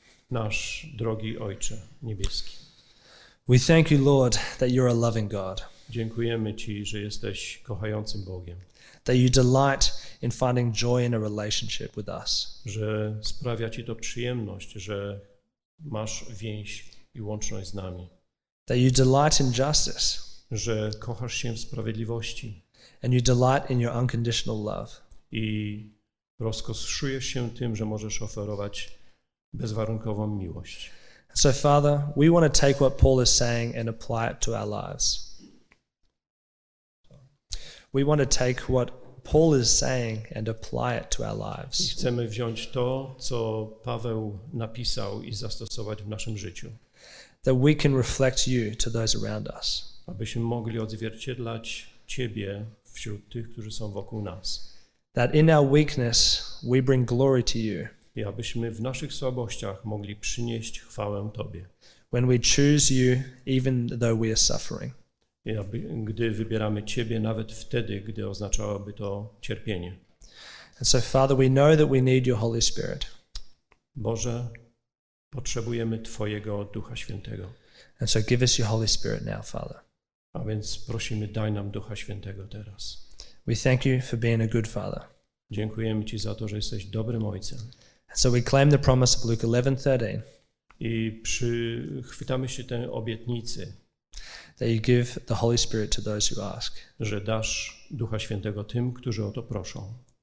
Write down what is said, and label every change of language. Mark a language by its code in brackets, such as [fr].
[pl] nasz drogi Ojcze niebieski, [en] we thank you, Lord, that you're a loving God. [pl] Dziękujemy Ci, że jesteś kochającym Bogiem. [en] That you delight in finding joy in a relationship with us. [pl] Że sprawia Ci to przyjemność, że masz więź i łączność z nami. [en] That you delight in justice. [pl] Że kochasz się w sprawiedliwości. [en] And you delight in your unconditional love. [pl] I rozkoszujesz się tym, że możesz oferować bezwarunkową miłość. [en] So Father, we want to take what Paul is saying and apply it to our lives. We want to take what Paul is saying and apply it to our lives. [pl] I chcemy wziąć to, co Paweł napisał i zastosować w naszym życiu. [en] That we can reflect you to those around us. [pl] Abyśmy mogli odzwierciedlać Ciebie wśród tych, którzy są wokół nas. [en] That in our weakness we bring glory to you. [pl] I abyśmy w naszych słabościach mogli przynieść chwałę Tobie. [en] When we choose you, even though we are suffering. [pl] I gdy wybieramy Ciebie, nawet wtedy, gdy oznaczałoby to cierpienie. [en] And so, Father, we know that we need your Holy Spirit. [pl] Boże, potrzebujemy Twojego Ducha Świętego. [en] And so give us your Holy Spirit now, Father. [pl] A więc prosimy, daj nam Ducha Świętego teraz. [en] We thank you for being a good father. [pl] Dziękujemy Ci za to, że jesteś dobrym ojcem. [en] So we claim the promise of Luke 11:13. [pl] I przychwytamy się tej obietnicy. [en] That you give the Holy Spirit to those who ask. [pl] Że dasz Ducha Świętego tym, którzy o to proszą.